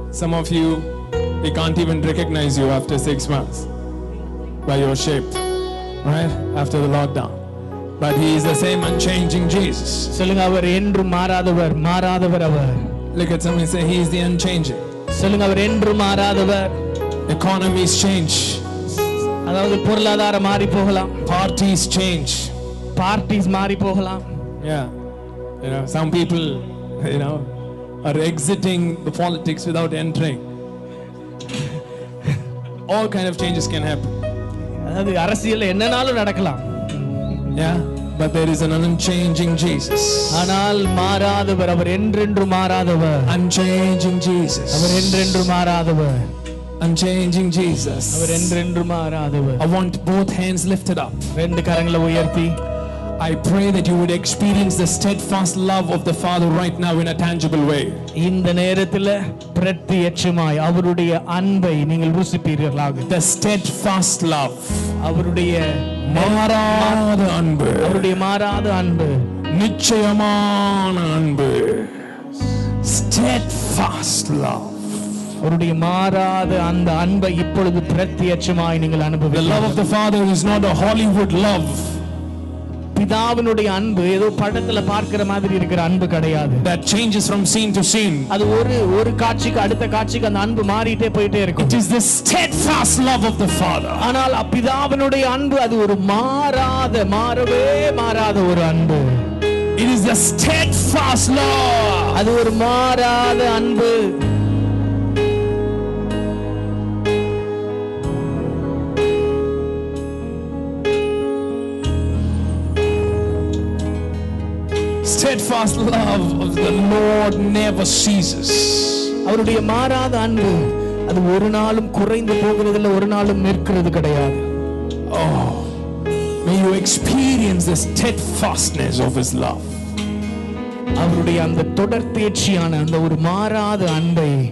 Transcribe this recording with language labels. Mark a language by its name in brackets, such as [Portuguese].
[English] Some of you, we can't even recognize you after 6 months by your shape, right? After the lockdown. But he is the same unchanging Jesus. [Tamil] சொல்லுங்க அவர் என்றும் மாறாதவர் மாறாதவர் அவர் [English] Look at somebody and say he is the unchanging. [Tamil] சொல்லுங்க அவர் என்றும் மாறாதவர் [English] Economies change. [Tamil] அதாவது பொருளாதாரம் மாறி போகலாம் [English] Parties change. [Tamil] Parties மாறி போகலாம் [English] Yeah. You know, some people, you know, are exiting the politics without entering. All kind of changes can happen. [Tamil] அது அரசியல்ல என்னனாலும் நடக்கலாம் [English] Yeah, but there is an unchanging Jesus. [Tamil] ஆனால் மாறாதவர் அவர் என்றென்றும் மாறாதவர். [English] Unchanging Jesus. [Tamil] அவர் என்றென்றும் மாறாதவர். [English] Unchanging Jesus. [Tamil] அவர் என்றென்றும் மாறாதவர். [English] I want both hands lifted up. [Tamil] ரெண்டு கரங்களை உயர்த்தி [English] I pray that you would experience the steadfast love of the Father right now in a tangible way. [Tamil] இந்த நேரத்தில் பிரத்தியட்சமாய் அவருடைய அன்பை நீங்கள் ருசிப்பீர்களாக. [English] The steadfast love. [Tamil] அவருடைய மாறாத அன்பு. அவருடைய மாறாத அன்பு. நிச்சயமான அன்பு. [English] Steadfast love. [Tamil] அவருடைய மாறாத அந்த அன்பை இப்பொழுது பிரத்தியட்சமாய் நீங்கள் அனுபவிப்பீர்கள். [English] The love of the Father is not a Hollywood love. [Tamil] பிதாவினுடைய அன்பு ஏதோ படத்துல பார்க்கிற மாதிரி இருக்கிற அன்பு கிடையாது [English] that changes from scene to scene [Tamil] அது ஒரு ஒரு காட்சிக்கு அடுத்த காட்சிக்கு அந்த அன்பு மாறிட்டே போயிட்டே இருக்கும் [English] it is the steadfast love of the father [Tamil] ஆனால் பிதாவினுடைய அன்பு அது ஒரு மாறாத மாறவே மாறாத ஒரு அன்பு [English] it is the steadfast love [Tamil] அது ஒரு மாறாத அன்பு [English] Steadfast love of the Lord never ceases. [Tamil] அவருடைய மாறாத அன்பு அது ஒரு நாளும் குறைந்து போகிறது இல்லை ஒரு நாளும் நிற்கிறது கிடையாது. [English] Oh, may you experience the steadfastness of his love. [Tamil] அவருடைய அந்த தொடர்ச்சியான அந்த ஒரு மாறாத அன்பை